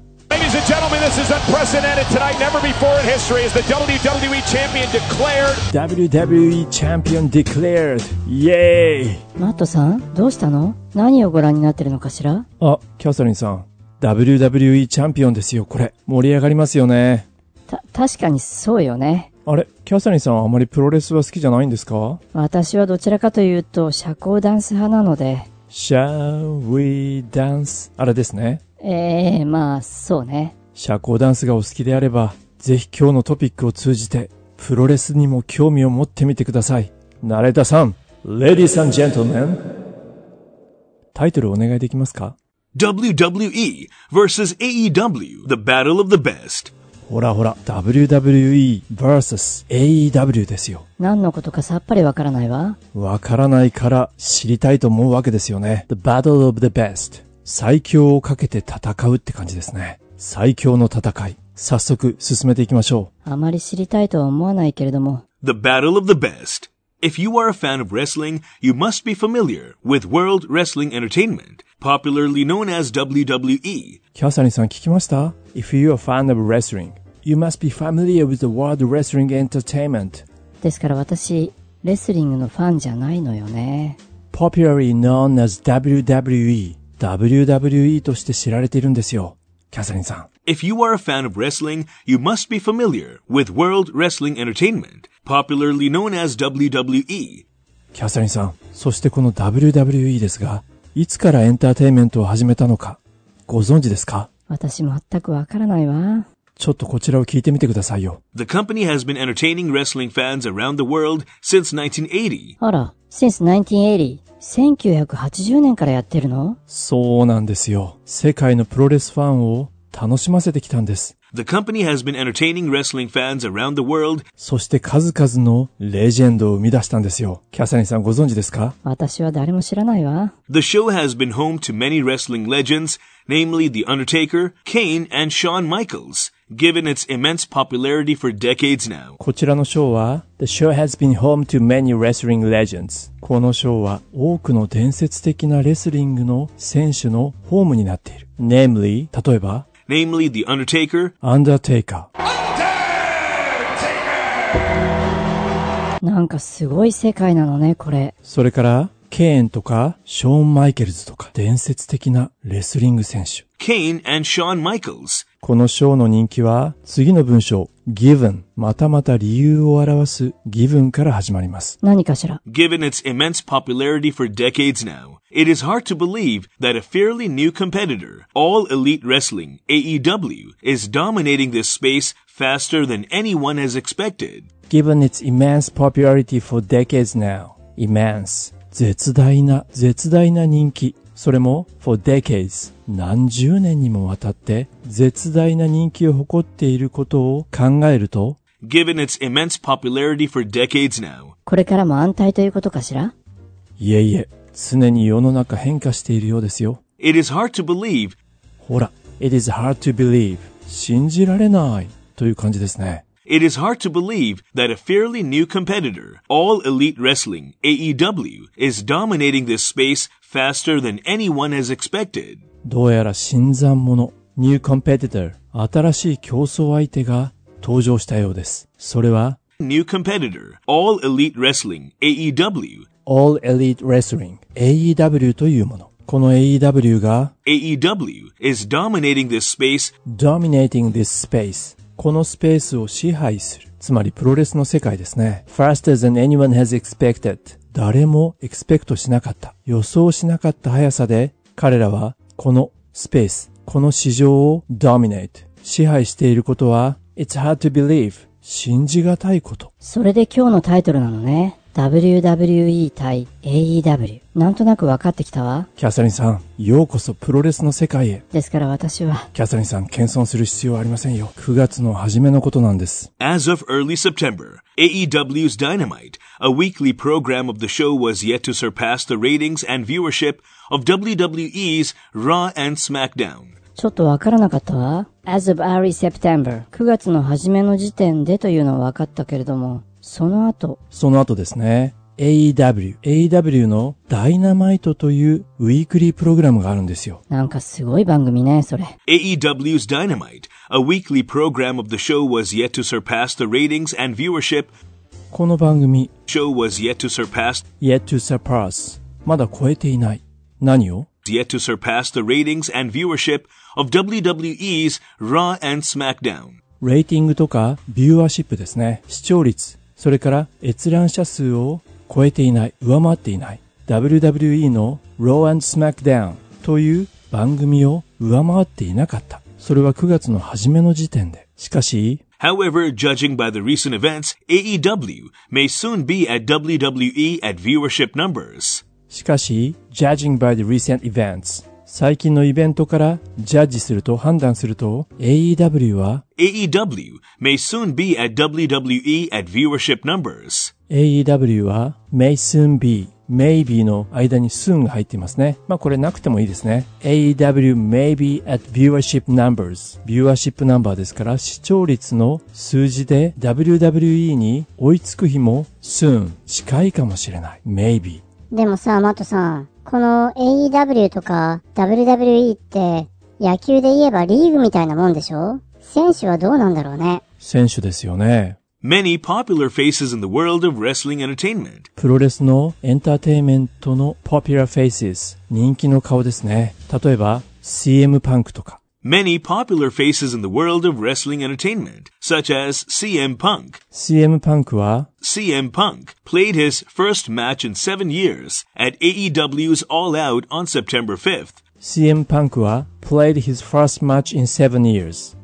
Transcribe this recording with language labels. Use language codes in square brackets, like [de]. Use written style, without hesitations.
[en] Ladies and gentlemen, this is unprecedented tonight. Never before in history is the WWE Champion declared. WWE Champion declared. Yay! [ja] Matt-san, どうしたの？何をご覧になってるのかしら？あ、キャサリンさん。 WWE チャンピオンですよ、これ。盛り上がりますよね。確かにそうよね。あれ、キャサリンさんはあまりプロレスは好きじゃないんですか？私はどちらかというと社交ダンス派なので。 [en] Shall we dance? [ja] あれですね。まあそうね。社交ダンスがお好きであれば、ぜひ今日のトピックを通じてプロレスにも興味を持ってみてください。ナレタさん、 [en] Ladies and Gentlemen、 [ja] タイトルお願いできますか？ [en] WWE vs. AEW, The Battle of the Best。 [ja] ほらほら、WWE vs. AEW ですよ。何のことかさっぱりわからないわ。わからないから知りたいと思うわけですよね。 [en] The Battle of the Best。 [ja] 最強をかけて戦うって感じですね。最強の戦い。早速進めていきましょう。あまり知りたいとは思わないけれども。 [en] The Battle of the Best。 If you are a fan of wrestling, you must be familiar with World Wrestling Entertainment, popularly known as WWE. [ja] キャサリンさん聞きました？ [en] If you are a fan of wrestling, you must be familiar with the World Wrestling Entertainment. [ja] ですから私、レスリングのファンじゃないのよね。 [en] Popularly known as WWE. [ja] WWE として知られているんですよ。キャサリンさん。 [en] If you are a fan of wrestling, you must be familiar with World Wrestling Entertainment, popularly known as WWE. [ja] キャサリンさん、そしてこの WWE ですが、いつからエンターテインメントを始めたのか、ご存知ですか？私全くわからないわ。ちょっとこちらを聞いてみてくださいよ。 [en] The company has been entertaining wrestling fans around the world since 1980. [ja] あら、 [en] since 1980。 [ja] 1980年からやってるの？そうなんですよ。世界のプロレスファンを楽しませてきたんです。 [en] The company has been entertaining wrestling fans around the world. [ja] そして数々のレジェンドを生み出したんですよ。キャサリンさんご存知ですか？私は誰も知らないわ。 [en] The show has been home to many wrestling legends, namely The Undertaker, Kane, and Shawn Michaels, given its immense popularity for decades now. [ja] こちらのショーは、 [en] The show has been home to many wrestling legends. [ja] このショーは多くの伝説的なレスリングの選手のホームになっている。 [en] Namely, [ja] 例えば、 [en] Namely, The Undertaker. Undertaker! [ja] なんかすごい世界なのね、これ。それから、ケーンとか、ショーン・マイケルズとか、伝説的なレスリング選手。 [en] ケーン and Shawn Michaels。 [ja] このショーの人気は、次の文章、given、またまた理由を表す given から始まります。何かしら。 [en] Given its immense popularity for decades now. It is hard to believe that a fairly new competitor, All Elite Wrestling, AEW, is dominating this space faster than anyone has expected. Given its immense popularity for decades now. [ja] Immense. 絶大な人気。それも [en] for decades. [ja] 何十年にもわたって絶大な人気を誇っていることを考えると [en] Given its immense popularity for decades now. [ja] これからも安泰ということかしら？いえいえ。常に世の中変化しているようですよ。 [en] It is hard to believe. ほら、It is hard to believe. [ja] 信じられないという感じですね。 [en] It is hard to believe that a fairly new competitor, All Elite Wrestling, AEW, is dominating this space faster than anyone has expected. [ja] どうやら新参者、 [en] New Competitor、 [ja] 新しい競争相手が登場したようです。それは、 [en] New Competitor, All Elite Wrestling, AEW, [ja] All Elite Wrestling, AEW というもの。この AEW が [en] AEW is dominating this space. Dominating this space. [ja] このスペースを支配する。つまりプロレスの世界ですね。 [en] Faster than anyone has expected. [ja] 誰も expect しなかった。予想しなかった速さで彼らはこのスペース、この市場を dominate。支配していることは [en] It's hard to believe. [ja] 信じがたいこと。それで今日のタイトルなのね。 WWE 対 AEW。なんとなく分かってきたわ。キャサリンさん、ようこそプロレスの世界へ。ですから私は。キャサリンさん、謙遜する必要はありませんよ。9月の初めのことなんです。 [en] As of early September, AEW's Dynamite, a weekly program of the show was yet to surpass the ratings and viewership of WWE's Raw and SmackDown. [ja] ちょっとわからなかったわ。 [en] As of early September, [ja] 9月の初めの時点でというのはわかったけれども、その後。その後ですね。 AEW のダイナマイトというウィークリープログラムがあるんですよ。なんかすごい番組ね、それ。 [en] AEW's Dynamite, a weekly program of the show was yet to surpass the ratings and viewership. [ja] この番組、 [en] show was yet to surpass, yet to surpass, [ja] まだ超えていない。何を？ [en] yet to surpass the ratings and viewership of WWE's Raw and SmackDown. [ja] レーティングとかビューアーシップですね。視聴率。それから閲覧者数を超えていない、上回っていない。 WWE の Raw and SmackDown という番組を上回っていなかった。それは9月の初めの時点で。しかし、 [en] However, judging by the recent events, AEW may soon be at WWE at viewership numbers. [ja] しかし、 [en] judging by the recent events, [ja] 最近のイベントからジャッジすると判断すると、AEW は [en] AEW may soon be at WWE at viewership numbers. [ja] AEW は [en] may soon be, [ja] maybe の間に soon が入っていますね。まあこれなくてもいいですね。 [en] AEW may be at viewership numbers. [ja] ビューアーシップナンバーですから視聴率の数字で WWE に追いつく日も soon 近いかもしれない。 [en] maybe。 [ja] でもさ、マトさん、この AEW とか WWE って野球で言えばリーグみたいなもんでしょ？選手はどうなんだろうね。選手ですよね。 [en] Many popular faces in the world of wrestling entertainment. [ja] プロレスのエンターテインメントの [en] popular faces、 [ja] 人気の顔ですね。例えば CM パンクとか。 [en] Many popular faces in the world of wrestling entertainment, such as CM Punk. CM Punk は CM Punk played his first match in 7 years at AEW's All Out on September 5th. CM Punk は played his first match in 7 years.